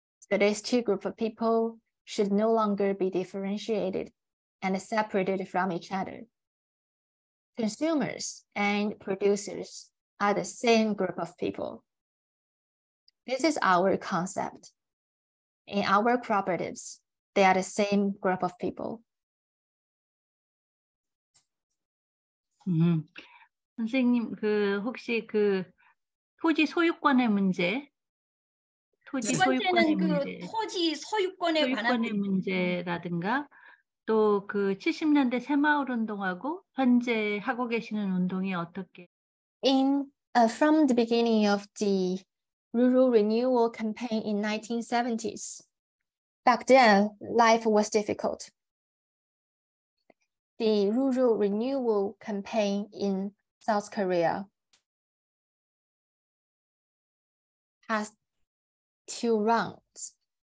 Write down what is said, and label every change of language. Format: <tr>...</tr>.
<en>So these two groups of people should no longer be differentiated and separated from each other. Consumers and producers are the same group of people. This is our concept. In our cooperatives, they are the same group of people. Mm-hmm.</en> <ko>선생님, 그 혹시 그 토지 소유권의 문제? 토지 소유권의 문제. 두 번째는 그 토지 소유권에 소유권의 관한 문제라든가 또 그 70년대 새마을 운동하고 현재 하고 계시는 운동이 어떻게</ko> <en>In from the beginning of the rural renewal campaign in 1970s. Back then, life was difficult. The rural renewal campaign in South Korea has two rounds.</en>